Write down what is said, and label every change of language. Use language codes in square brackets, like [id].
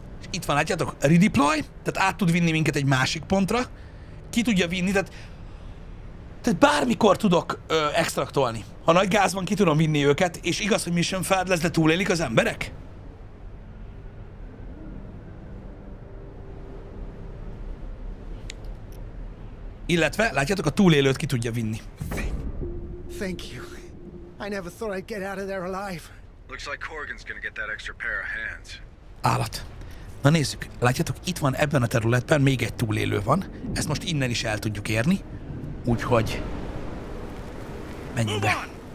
[hu] itt van, látjátok, redeploy, tehát át tud vinni minket egy másik pontra, ki tudja vinni, tehát bármikor tudok extraktolni. Ha nagy gáz van, ki tudom vinni őket, és igaz, hogy mission failed lesz, de túlélik az emberek? Illetve, látjátok, a túlélőt ki tudja vinni. [en] Thank you. I never thought I'd get out of there alive. Looks like Corgan's gonna get that extra pair of hands. [hu] Állat. Na nézzük, látjátok, itt van ebben a területben még egy túlélő van. Ezt most innen is el tudjuk érni. Úgyhogy... menjünk be.